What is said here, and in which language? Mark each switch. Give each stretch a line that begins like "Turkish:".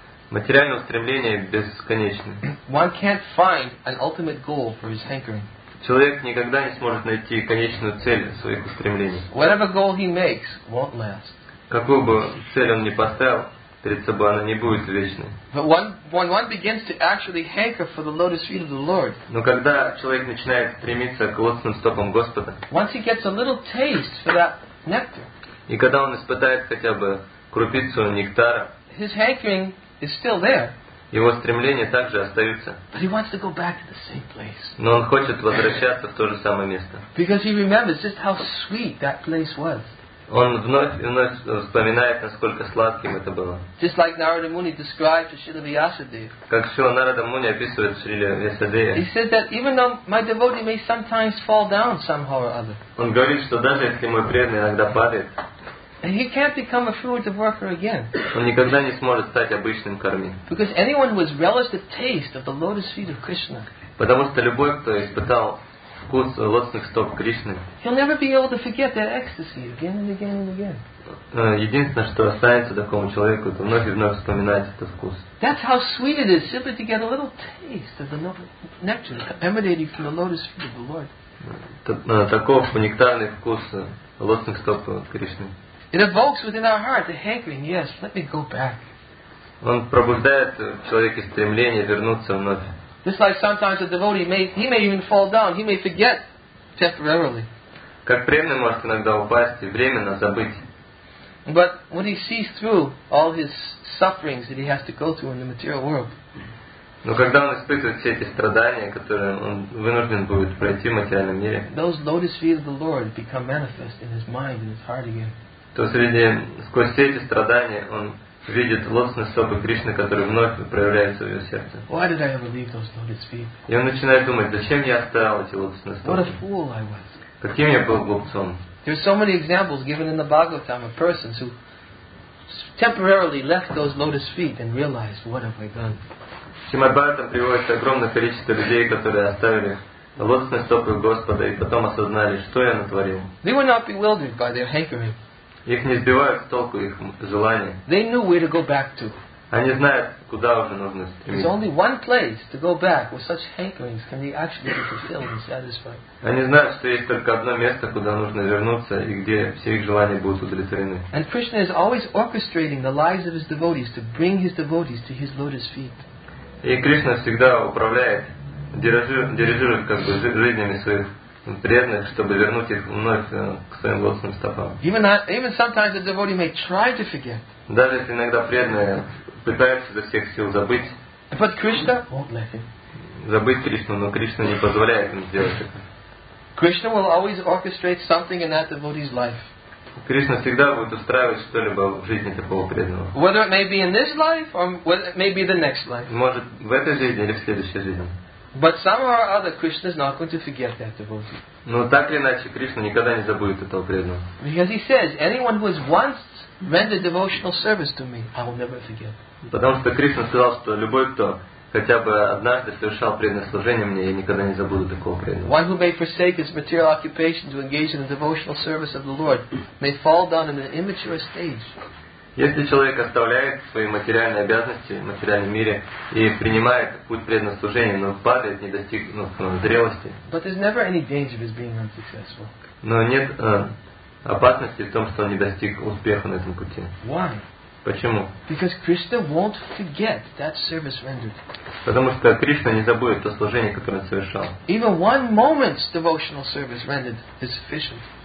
Russian: Материальное устремление бесконечно.
English: One can't find an ultimate goal for his hankering.
Russian: Человек никогда не сможет найти конечную цель своих устремлений.
English: Whatever goal he makes won't last.
Russian: Какую бы цель он ни поставил перед собой, она не будет вечной.
English: But when one begins to actually hanker for the lotus feet of the Lord,
Russian: но когда человек начинает стремиться к лотосным стопам Господа,
English: once he gets a little taste for that nectar,
Russian: и когда он испытает хотя бы крупицу нектара,
English: his hankering is still there.
Russian: Его стремления также остаются.
English: But he wants to go back to the same place.
Russian: Но он хочет возвращаться в то же самое место.
English: Because he remembers just how sweet that place was.
Russian: Он вновь и вновь вспоминает, насколько сладким это было.
English: Just like Narada Muni described to Srila Vyasadeva.
Russian: Как Шрила Нарада Муни описывает Шриле Вьясадеве.
English: He said that even though my devotee may sometimes fall down somehow or other.
Russian: Он говорит, что даже если мой преданный иногда падает.
English: He can't become a fruit of worker again.
Russian: Он никогда не сможет стать обычным карми.
English: Because anyone who has relished the taste of the lotus feet of Krishna.
Russian: Потому что любой, кто испытал вкус лотосных стоп Кришны,
English: he'll never be able to forget that ecstasy again and again and again.
Russian: Единственное, что останется такому человеку, это вновь и вновь вспоминать этот вкус.
English: That's how sweet it is simply to get a little taste of the nectar emanating from the lotus feet of the Lord.
Russian: Таков нектарный вкус лотосных стоп Кришны.
English: It evokes within our heart the hankering, yes, let me go back.
Russian: Он пробуждает в человеке стремление вернуться вновь.
English: Just like sometimes a devotee may even fall down, he may forget temporarily.
Russian: Как преданный может иногда упасть и временно забыть.
English: But when he sees through all his sufferings that he has to go through in the material world.
Russian: Но когда он испытывает все эти страдания, которые он вынужден будет пройти в материальном мире.
English: Those lotus feet of the Lord become manifest in his mind and his heart again.
Russian: То среди сквозь все эти страдания он видит лотосные стопы Кришны, которые вновь проявляются в его сердце.
English: Why did I ever leave those lotus feet?
Russian: И он начинает думать, зачем я оставил эти лотосные стопы?
English: What a fool I was.
Russian: Каким я был глупцом?
English: There are so many examples given in the Bhagavatam of persons who temporarily left those lotus feet and realized, what have I done?
Russian: Шримад-Бхагаватам там приводится огромное количество людей, которые оставили лотосные стопы Господа и потом осознали, что я натворил.
English: They were not bewildered by their hankering.
Russian: Их не сбивают с толку их желания.
English: They knew where to go back to.
Russian: Они знают, куда уже нужно стремиться.
English: There's only one place to go back with such hankerings can they actually be fulfilled and satisfied.
Russian: Они знают, что есть только одно место, куда нужно вернуться и где все их желания будут удовлетворены.
English: And Krishna is always orchestrating the lives of his devotees to bring his devotees to his lotus feet.
Russian: И Кришна всегда управляет, дирижирует как бы жизнями своих преданных, чтобы вернуть их вновь к своим лотосным стопам.
English: Even sometimes the devotee may try to forget.
Russian: Даже если иногда преданные пытаются изо всех сил забыть.
English: But Krishna won't let him.
Russian: Забыть Кришну, но Кришна не позволяет им сделать это.
English: Krishna will always orchestrate something in that devotee's life.
Russian: Кришна всегда будет устраивать что-либо в жизни такого преданного.
English: Whether it may be in this life or whether it may be the next life.
Russian: Может в этой жизни или в следующей жизни.
English: But somehow or other, Krishna is not going to forget that devotee.
Russian: Но так или иначе Кришна никогда не забудет этого преданного.
English: Because he says, anyone who has once rendered devotional service to me, I will never forget.
Russian: Потому что Кришна сказал, что любой кто хотя бы однажды совершал преданное служение мне, я никогда не забуду такого преданного.
English: One who may forsake his material occupation to engage in the devotional service of the Lord may fall down in an immature stage.
Russian: Если человек оставляет свои материальные обязанности в материальном мире и принимает путь преданного служения, но падает, не достигнув зрелости.
English: But there's never any danger of his being unsuccessful.
Russian: Но нет опасности в том, что он не достиг успеха на этом пути.
English: Why?
Russian: Почему?
English: Because Krishna won't forget that service rendered.
Russian: Потому что Кришна не забудет то служение, которое он совершал.
English: Even one moment's devotional service rendered is sufficient.